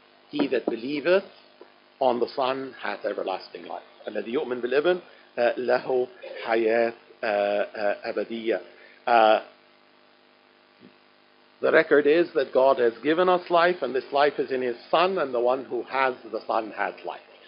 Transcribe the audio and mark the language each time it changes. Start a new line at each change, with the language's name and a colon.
English: He that believeth on the Son hath everlasting life.
Arabic: الذي يؤمن بالابن له حياة أبدية.
English: The record is that God has given us life and this life is in his Son and the one who has the Son has life.